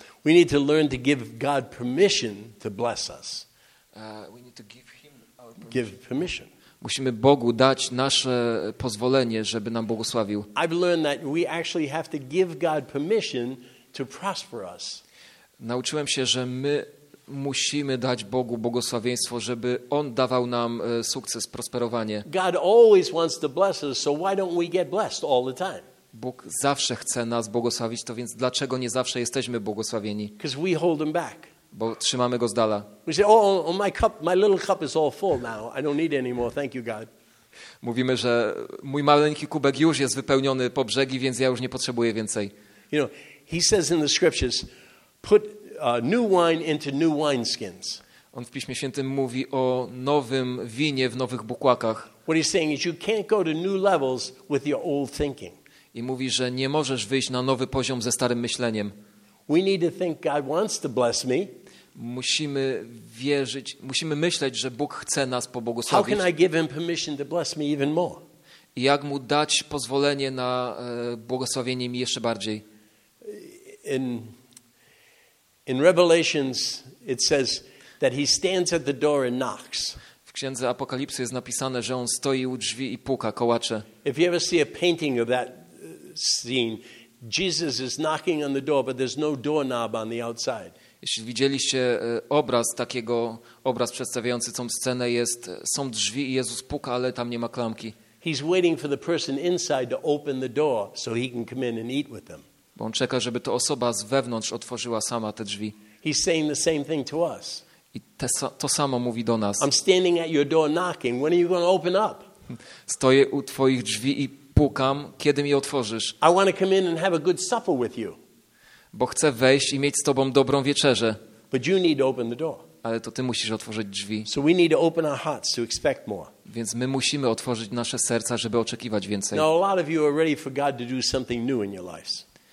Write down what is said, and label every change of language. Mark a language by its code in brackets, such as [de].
[en] We need to learn to give God permission to bless us. We need to give him our permission. Give permission. [pl] Musimy Bogu dać nasze pozwolenie, żeby nam błogosławił. [en] I've learned that we actually have to give God permission to prosper us. [pl] Nauczyłem się, że my musimy dać Bogu błogosławieństwo, żeby On dawał nam sukces, prosperowanie. [en] God always wants to bless us, so why don't we get blessed all the time? [pl] Bóg zawsze chce nas błogosławić, to więc dlaczego nie zawsze jesteśmy błogosławieni? [en] Because we hold Him back. [pl] Bo trzymamy Go z dala. [en] We say, oh, my cup, my little cup is all full now. I don't need any more. Thank you, God. [pl] Mówimy, że mój maleńki kubek już jest wypełniony po brzegi, więc ja już nie potrzebuję więcej. [en] You know, He says in the scriptures, put new wine into new wineskins. [pl] On w Piśmie Świętym mówi o nowym winie w nowych bukłakach. [en] What he's saying is you can't go to new levels with your old thinking. [pl] I mówi, że nie możesz wyjść na nowy poziom ze starym myśleniem. [en] We need to think God wants to bless me. [pl] Musimy wierzyć, musimy myśleć, że Bóg chce nas pobłogosławić. [en] How can I give him permission to bless me even more? [pl] I jak mu dać pozwolenie na błogosławienie mi jeszcze bardziej? [en] In Revelations it says that he stands at the door and knocks. [pl] W Księdze Apokalipsy jest napisane, że on stoi u drzwi i puka, kołacze. [en] If you ever see a painting of that scene, Jesus is knocking on the door, but there's no doorknob on the outside. [pl] Jeśli widzieliście obraz takiego, obraz przedstawiający tą scenę, jest, są drzwi i Jezus puka, ale tam nie ma klamki. [en] He's waiting for the person inside to open the door so he can come in and eat with them. [pl] Bo on czeka, żeby to osoba z wewnątrz otworzyła sama te drzwi. [en] He's saying the same thing to us. [pl] I to samo mówi do nas. [en] I'm standing at your door knocking. When are you going to open up? [pl] Stoję u twoich drzwi i pukam, kiedy mi otworzysz? [en] I want to come in and have a good supper with you. [pl] Bo chcę wejść i mieć z tobą dobrą wieczerzę. [en] But you need to open the door. [pl] Ale to ty musisz otworzyć drzwi. [en] So we need to open our hearts to expect more. [pl] Więc my musimy otworzyć nasze serca, żeby oczekiwać więcej. [en] Now a lot of you are ready for God to do something new in your lives.